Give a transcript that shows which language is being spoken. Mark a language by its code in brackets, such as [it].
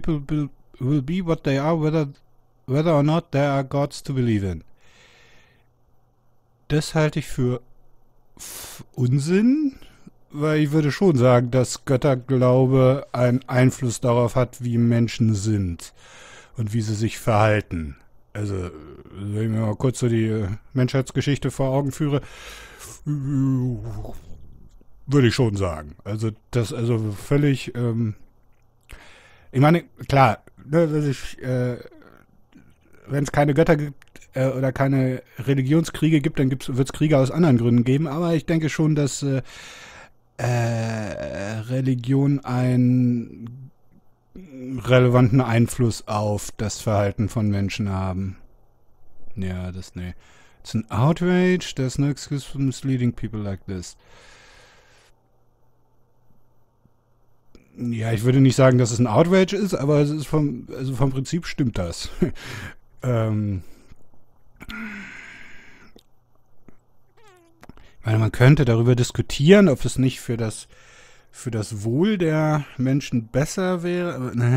[en] People will be what they are, whether or not there are gods to believe in. [de] Das halte ich für Unsinn, weil ich würde schon sagen, dass Götterglaube einen Einfluss darauf hat, wie Menschen sind und wie sie sich verhalten. Also, wenn ich mir mal kurz so die Menschheitsgeschichte vor Augen führe, würde ich schon sagen. Also, das also völlig, ich meine, klar, wenn es keine Götter gibt oder keine Religionskriege gibt, dann wird es Kriege aus anderen Gründen geben. Aber ich denke schon, dass Religion einen relevanten Einfluss auf das Verhalten von Menschen haben. Ja, das, nee. [en] It's an outrage. There's no excuse for misleading people like this. [de] Ja, ich würde nicht sagen, dass es ein Outrage ist, aber es ist vom Prinzip stimmt das. Weil man könnte darüber diskutieren, ob es nicht für das Wohl der Menschen besser wäre.